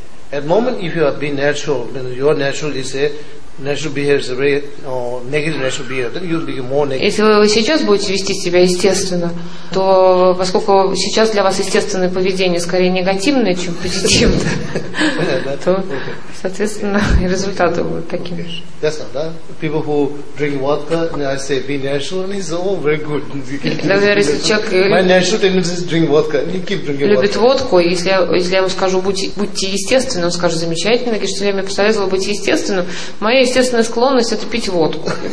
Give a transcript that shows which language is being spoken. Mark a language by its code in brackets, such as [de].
[en] At the moment, if you are being natural, your natural is a natural behavior, is a very negative natural behavior, then you'll become more negative. [ru] Если вы сейчас будете вести себя естественно, то поскольку сейчас для вас естественное поведение скорее негативное, чем позитивное, то, соответственно, и результаты будут такими же. [en] That's not that. People who drink vodka, and I say, be natural, and he's all very good. [ru] Например, если человек... [en] My natural tendency is drink vodka, and he keep drinking vodka. [ru] Любит водку, и если я ему скажу, будьте естественны, он скажет, замечательно, что я ему посоветовала быть естественным. Моя естественная склонность – это пить водку.